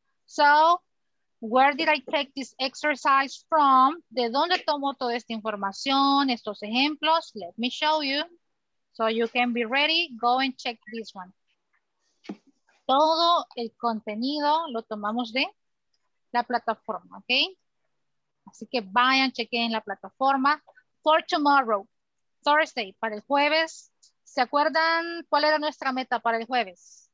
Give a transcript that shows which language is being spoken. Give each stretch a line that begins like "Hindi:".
English: So where did I take this exercise from?
Spanish: ¿De dónde tomo toda esta información, estos ejemplos?
English: Let me show you. So you can be ready, go and check this one.
Spanish: Todo el contenido lo tomamos de la plataforma, okay? Así que vayan, chequen la plataforma.
English: For tomorrow, Thursday,
Spanish: para el jueves. ¿Se acuerdan cuál era nuestra meta para el jueves?